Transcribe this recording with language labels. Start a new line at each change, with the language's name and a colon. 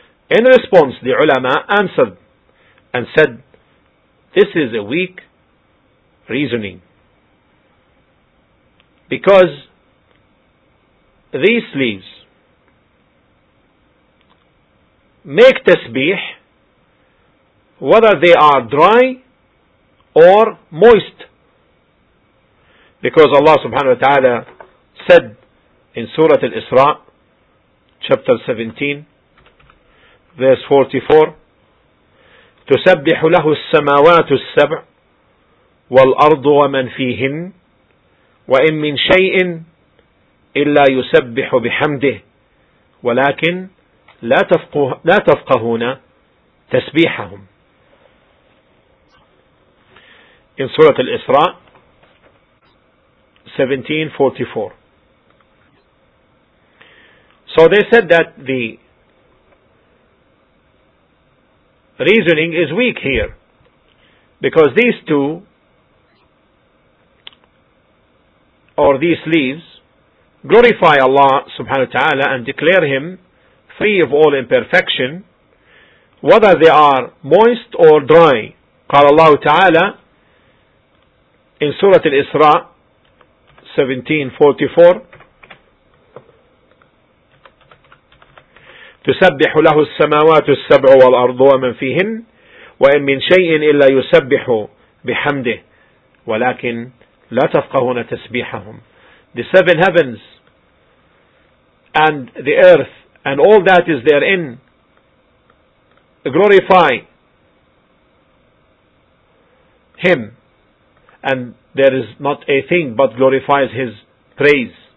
English: In response, the ulama answered and said, this is a weak reasoning, because these leaves make tasbih whether they are dry or moist. Because Allah subhanahu wa ta'ala said in Surah Al-Isra, chapter 17, verse 44,
Arabic: تُسَبِّحُ لَهُ السَّمَاوَاتُ السَّبْعُ وَالْأَرْضُ وَمَنْ فِيهِنْ وَإِنْ مِنْ شَيْءٍ إِلَّا يُسَبِّحُ بِحَمْدِهِ وَلَكِنْ لَا تَفْقَهُونَ تَسْبِيحَهُمْ.
English: In Surah Al-Isra, 17:44. So they said that the reasoning is weak here, because these two, or these leaves, glorify Allah subhanahu wa ta'ala and declare Him free of all imperfection, whether they are moist or dry.
Arabic: قال الله تعالى
English: in Surah Al-Isra 17:44,
Arabic: تسبح له السماوات السبع والأرض ومن فيهن وإن من شيء إلا يسبح بحمده ولكن لا تفقهون تسبيحهم.
English: The seven heavens and the earth and all that is therein glorify Him, and there is not a thing but glorifies His praise.